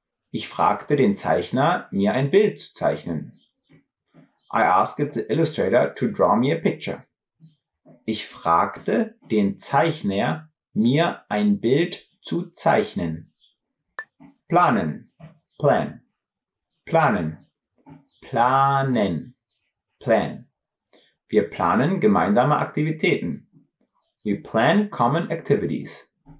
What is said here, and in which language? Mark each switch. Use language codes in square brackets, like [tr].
[de] Ich fragte den Zeichner, mir ein Bild zu zeichnen. [en] I asked the illustrator to draw me a picture. [de] Ich fragte den Zeichner, mir ein Bild zu zeichnen. Planen. Plan. Planen. Planen. Plan. Wir planen gemeinsame Aktivitäten. [en] We plan common activities.